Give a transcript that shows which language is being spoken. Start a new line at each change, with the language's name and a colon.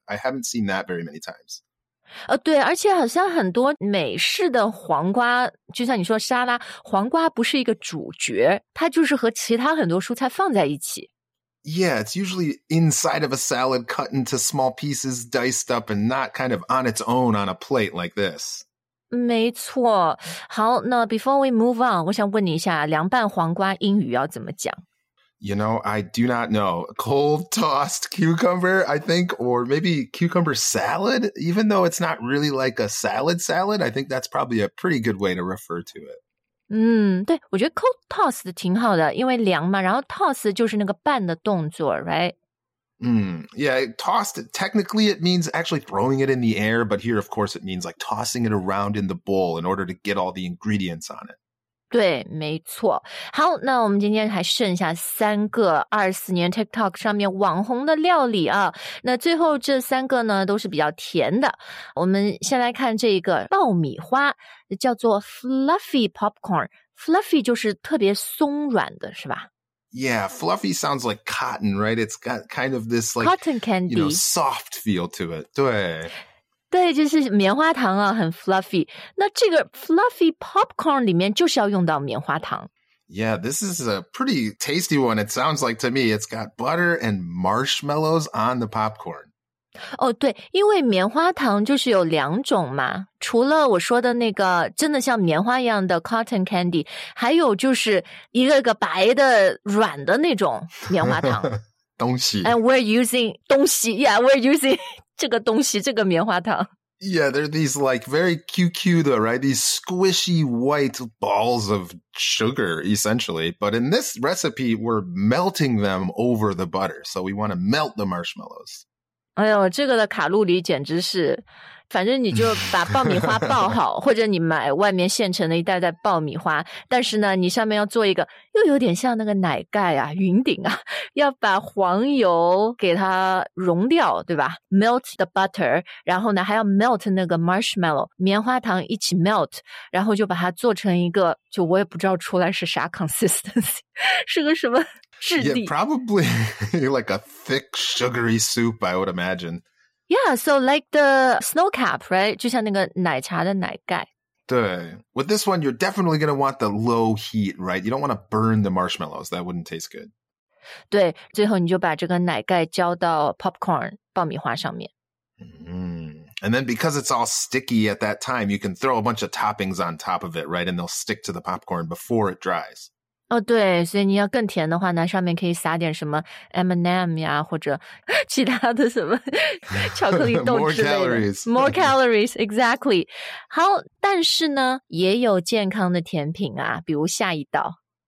English: I haven't seen that very many times.
Chinese: 对，而且好像很多美式的黄瓜，就像你说沙拉，黄瓜不是一个主角，它就是和其他很多蔬菜放在一起。
English: Yeah, it's usually inside of a salad, cut into small pieces, diced up, and not kind of on its own on a plate like this.
Chinese: 没错。好，那
English: before we move on,
Chinese: 我想问你一下，凉拌黄瓜英语要怎么讲？
English: You know, I do not know. Cold tossed cucumber, I think, or maybe cucumber salad, even though it's not really like a salad salad, I think that's probably a pretty good way to refer to it.
Chinese: 对，我觉得 cold toss 挺好的，因为凉嘛，然后 toss 就是那个拌的动作，
English: right? Yeah, tossed, technically it means actually throwing it in the air, but here of course it means like tossing it around in the bowl in order to get all the ingredients on it.
Chinese: 对，没错。好，那我们今天还剩下三个24年 TikTok 上面网红的料理啊，那最后这三个呢都是比较甜的，我们先来看这个爆米花。
English: 叫做 fluffy popcorn.
Chinese: Fluffy 就是特别松软的，是吧？
English: Yeah, fluffy sounds like cotton, right? It's got kind of this like cotton candy, you know, soft feel to it.
Chinese: 对，对，就是棉花糖啊，很 fluffy. 那这个 fluffy popcorn 里面就是要用到棉花糖。
English: Yeah, this is a pretty tasty one. It sounds like to me, it's got butter and marshmallows on the popcorn.
Chinese: 对，因为棉花糖就是有两种嘛，除了我说的那个真的像棉花一样的 cotton candy, 还有就是一个个白的软的那种棉花糖。东西。
English: And we're using 东西 ,yeah, we're using
Chinese: 这个东西，这个棉花糖。
English: Yeah, they're these like very QQ though, right? These squishy white balls of sugar, essentially. But in this recipe, we're melting them over the butter. So we want to melt the marshmallows.
Chinese: 哎呦，这个的卡路里简直是，反正你就把爆米花爆好，或者你买外面现成的一袋袋爆米花，但是呢，你上面要做一个，又有点像那个奶盖啊，云顶啊，要把黄油给它融掉，对吧 ？
English: Melt the butter,
Chinese: 然后呢，还要 melt 那个 marshmallow, 棉花糖一起 melt, 然后就把它做成一个，就我也不知道出来是啥 consistency, 是个什么。
English: Yeah, probably like a thick sugary soup, I would imagine. Yeah, so like the snow cap, right?
Chinese: 就像那个奶茶的奶盖。对。
English: With this one, you're definitely going to want the low heat, right? You don't want to burn the marshmallows. That wouldn't taste good.
Chinese: 对，最后你就把这个奶盖浇到 popcorn, 爆米花上面。
English: And then because it's all sticky at that time, you can throw a bunch of toppings on top of it, right? And they'll stick to the popcorn before it dries.
Chinese: 对，所以你要更甜的话呢，上面可以撒点什么 M&M 呀，或者其他的什么巧克力豆之类的。
English: More calories. More calories, exactly.
Chinese: 好，但是呢，也有健康的甜品啊，比如下一道。